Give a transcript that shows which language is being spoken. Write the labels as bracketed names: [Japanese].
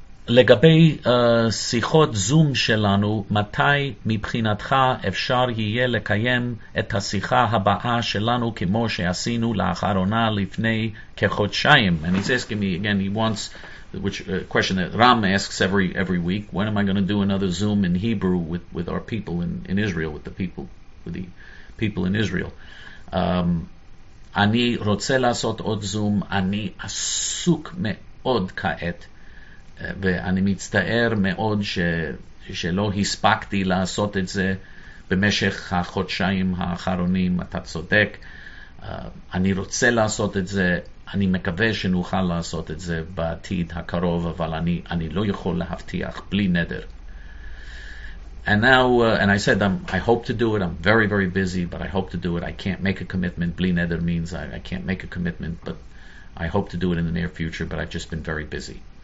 [Hebrew] לגבי שיחות זום שלנו, מתי מבחינתך אפשר יהיה לקיים את השיחה הבאה שלנו כמו שעשינו לאחרונה לפני כחודשיים? [English] And he's asking me again, he wants, which question that Ram asks every week, when am I going to do another Zoom in Hebrew with our people in Israel, with the people in Israel? [Hebrew] אני רוצה לעשות עוד זום, אני עסוק מאוד כעת. ואני מצטער מאוד שלא הספקתי לעשות את זה במשך החודשיים האחרונים, אתה צודק. אני רוצה לעשות את זה, אני מקווה שנוכל לעשות את זה בעתיד הקרוב, אבל אני לא יכול להבטיח, בלי נדר. [English] And now, and I said, I hope to do it, I'm very, very busy, but I hope to do it, I can't make a commitment, [Hebrew] בלי נדר [English] means I can't make a commitment, but I hope to do it in the near future, but I've just been very busy.